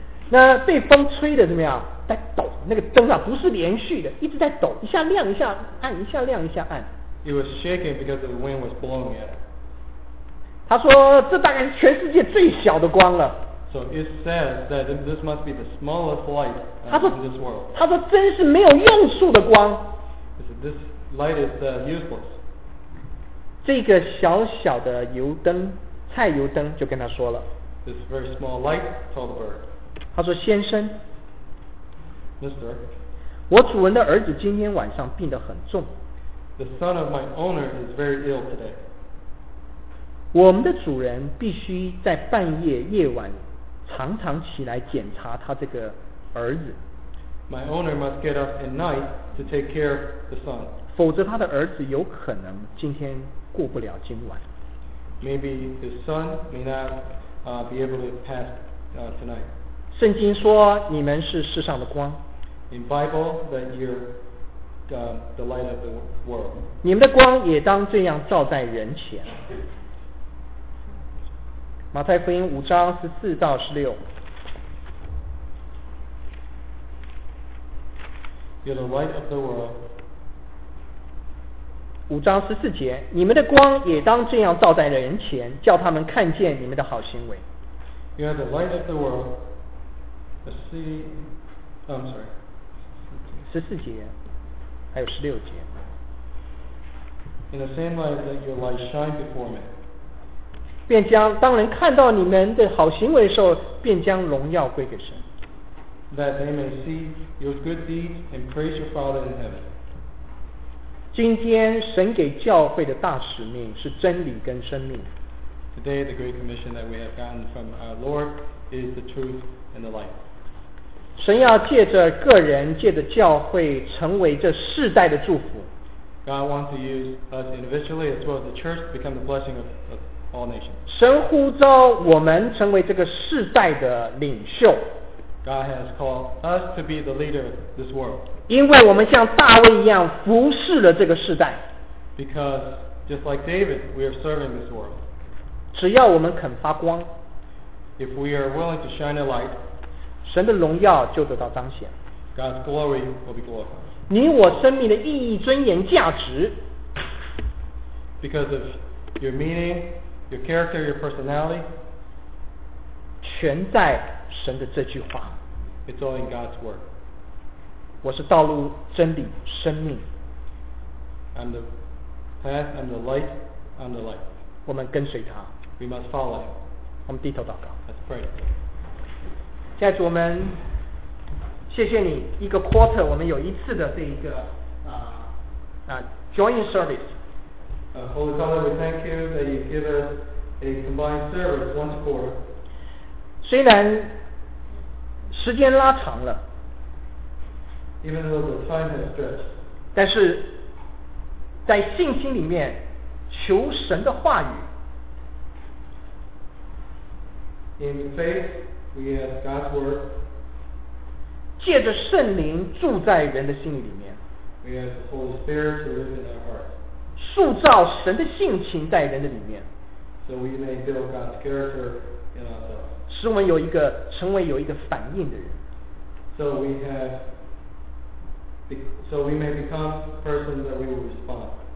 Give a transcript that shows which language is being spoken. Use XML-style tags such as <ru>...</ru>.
<zh>那被风吹的怎么样，在抖，那个灯啊不是连续的，一直在抖，一下亮一下暗，一下亮一下暗。</zh> <en>It was shaking because the wind was blowing at it.</en> <zh>他说这大概是全世界最小的光了。</zh> <en>So it says that this must be the smallest light in this world.</en> <zh>他说真是没有用处的光。</zh> <en>This light is useless.</en> <zh>这个小小的油灯，菜油灯就跟他说了。</zh> <en>This very small light told the bird.</en> <zh>他说先生</zh> <en>Mister,</en> <zh>我主人的儿子今天晚上病得很重</zh> <en>The son of my owner is very ill today</en> <zh>我们的主人必须在半夜夜晚常常起来检查他这个儿子</zh> <en>My owner must get up at night to take care of the son</en> <zh>否则他的儿子有可能今天过不了今晚</zh> <en>Maybe his son may not be able to pass tonight</en> <zh>圣经说你们是世上的光</zh> <en>In Bible that you're the light of the world</en> <zh>你们的光也当这样照在人前马太福音五章十四到十六。</zh> <en>You're the light of the world.</en> <zh>五章十四节，你们的光也当这样照在人前，叫他们看见你们的好行为。</zh> <en>You are the light of the world. The city. I'm sorry.</en> <zh>十四节，还有十六节。</zh> <en>In the same way that your light shine before men.</en> <zh>便将当人看到你们的好行为的时候，便将荣耀归给神。</zh> <en>That they may see your good deeds and praise your Father in heaven.</en> <zh>今天神给教会的大使命是真理跟生命。</zh> <en>Today the great commission that we have gotten from our Lord is the truth and the life.</en> <zh>神要借着个人，借着教会，成为这世代的祝福。</zh> <en>God wants to use us individually as well as the church to become the blessing of all nations.</en> <zh>神呼召我们成为这个世代的领袖。</zh> <en>God has called us to be the leader of this world.</en> <zh>因为我们像大卫一样服侍了这个世代。</zh> <en>Because just like David, we are serving this world.</en> <zh>只要我们肯发光。</zh> <en>If we are willing to shine a light,</en> <zh>神的荣耀就得到彰显。</zh> <en>God's glory will be glorified.</en> <zh>你我生命的意义、尊严、价值。</zh> <en>Because of your meaning, your character, your personality.</en> <zh>全在神的这句话。</zh> <en>It's all in God's word.</en> <zh>我是道路、真理、生命。</zh> <en>I'm the path, I'm the light, I'm the life.</en> <zh>我们跟随他。</zh> <en>We must follow him.</en> <zh>我们低头祷告。</zh> <en>Let's pray.</en> <zh>现在我们谢谢你，一个 quarter 我们有一次的这一个</zh> <en>joint service. Holy Father, we thank you that you give us a combined service once a quarter.</en> <zh>虽然时间拉长了</zh> <en>Even though the time has stretched,</en> <zh>但是在信心里面求神的话语</zh> <en>In faith, we ask God's word,</en> <zh>借着圣灵住在人的心里面</zh> <en>We ask the Holy Spirit to live in our heart,</en> <zh>塑造神的性情在人的里面</zh> <en>So we may build God's character in ourselves.</en> <zh>使我们有一个成为有一个反应的人。</zh> <en>So we have, so we may become persons that we will respond.</en>